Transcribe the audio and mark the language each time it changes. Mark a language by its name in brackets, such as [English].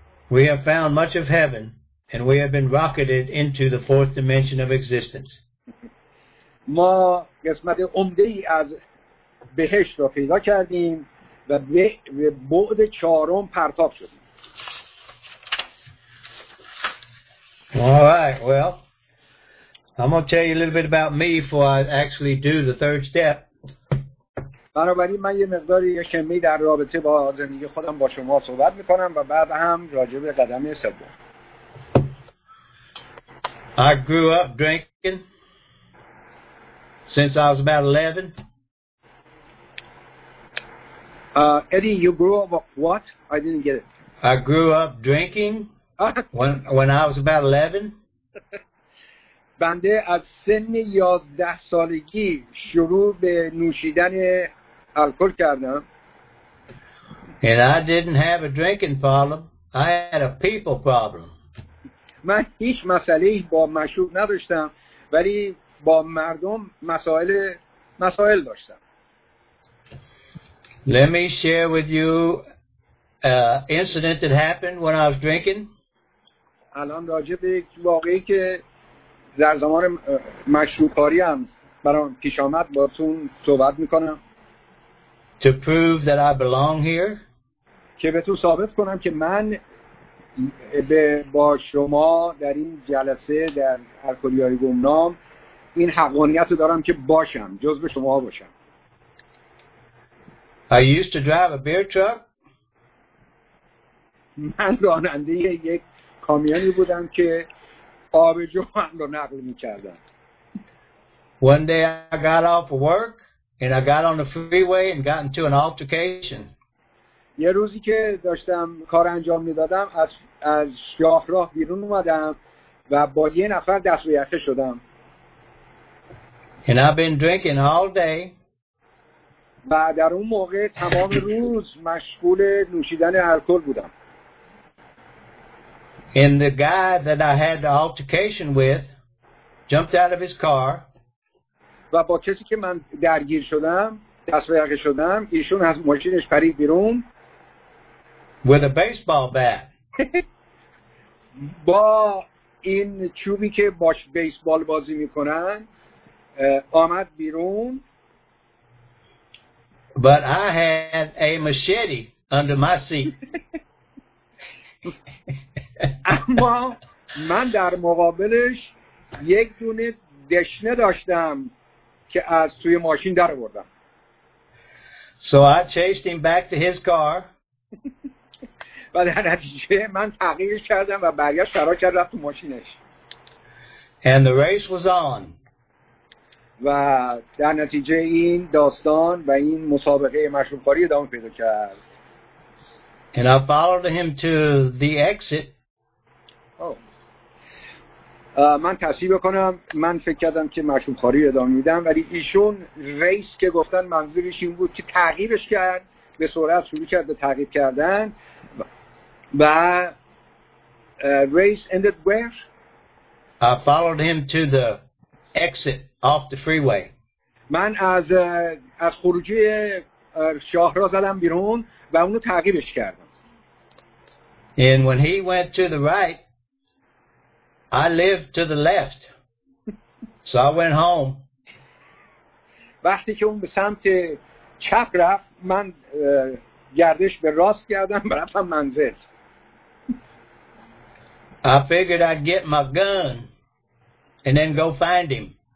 [English] We have found much of heaven and we have been rocketed into the fourth dimension of existence. [Persian] ما قسمت عمده ای از بهشت رو پیدا کردیم و به بعد چهارم پرتاب شدیم. [English] All right, well, I'm going to tell you a little bit about me before I actually do the third step. [Persian] بنابراین من یه مقداری یه شمی در رابطه با زندگی خودم با شما صحبت میکنم و بعد هم راجع به قدم سوم. [English] I grew up drinking since I was about 11. Eddie, you grew up what? I didn't get it. I grew up drinking. When I was about 11, [Persian] بنده از سن 11 سالگی شروع به نوشیدن الکل کردم. [English] And I didn't have a drinking problem. I had a people problem. [Persian] من هیچ مسئله‌ای با مشروب نداشتم، ولی با مردم مسائل داشتم. [English] Let me share with you an incident that happened when I was drinking. [Persian] الان راجع به یک واقعی که در زمان مشروب‌کاری هم برام پیش آمد با تون صحبت میکنم. [English] To prove that I belong here. [Persian] که به تو ثابت کنم که من با شما در این جلسه در الکلی‌های گمنام این حقانیت رو دارم که باشم، جز به شما باشم. [English] I used to drive a beer truck. [Persian] من راننده یک کامیونی بودم که آبجو هم رو نقل می‌کردم. [English] One day I got off of work and I got on the freeway and got into an altercation. [Persian] یه روزی که داشتم کار انجام می‌دادم از شاهراه بیرون اومدم و با یه نفر دست به یقه شدم. [English] And I've been drinking all day. [Persian] و در اون موقع تمام روز مشغول نوشیدن الکل بودم. [English] And the guy that I had the altercation with jumped out of his car. [Persian] و با کسی که من درگیر شدم دست به یقه شدم ایشون از ماشینش پرید بیرون [English] with a baseball bat. [Persian] با این چوبی که باش بیسبال بازی میکنن آمد بیرون [English] but I had a machete under my seat. [Persian] اما من در مقابلش یک دونه دشنه داشتم که از توی ماشین در آوردم. [English] So I chased him back to his car. [Persian] و در نتیجه من تغییر کردم و برگشت فرار کرد رفت تو ماشینش. [English] And the race was on. [Persian] و در نتیجه این داستان و این مسابقه مشروب‌خواری ادامه پیدا کرد. [English] And I followed him to the exit. [Persian] من تصحیح بکنم من فکر کردم که مشروب خواری ادامه میدم ولی ایشون ریس که گفتن منظورش این بود که تعقیبش کرد به سرعت شروع کرد به تعقیب کردن و ریس [English] ended where I followed him to the exit off the freeway. [Persian] من از خروجی شاهراه زدم بیرون و اونو تعقیبش کردم. [English] And when he went to the right I lived to the left. So I went home. [Persian] وقتی که اون به سمت چپ رفت من گردش به راست کردم رفتم منزل. [English] I figured I'd get my gun and then go find him.